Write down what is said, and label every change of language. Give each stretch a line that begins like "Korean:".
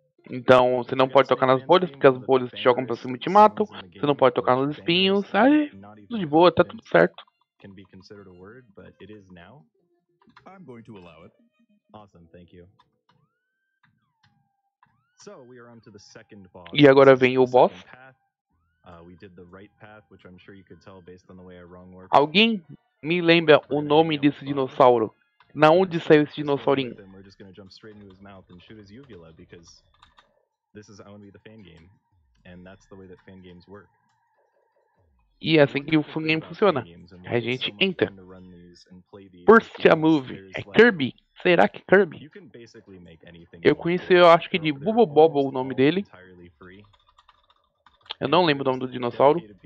Portuguese: Então, você não pode tocar nas bolhas, porque as bolhas te jogam pra cima e te matam. Você não pode tocar nos espinhos, aí, tudo de boa, tá tudo certo.
English: Can be considered a word, but it is now. I'm going to allow it. Awesome, thank you. So we are on to the second boss.
Portuguese: E agora vem o boss.
English: We did the right path, which I'm sure you could tell based on the way I wrong word.
Portuguese: Alguém me lembra o nome desse dinossauro? Na onde saiu esse dinossaurinho?
English: We're just gonna jump straight into his mouth and shoot his uvula because this is only the fan game, and that's the way that fan games work.
Portuguese: E é assim que o game funciona. A gente entra.
English: First a move.
Portuguese: É Kirby? Será que é Kirby? Eu conheci, eu acho que de Bubble Bobble o nome dele. Eu não lembro o nome do dinossauro.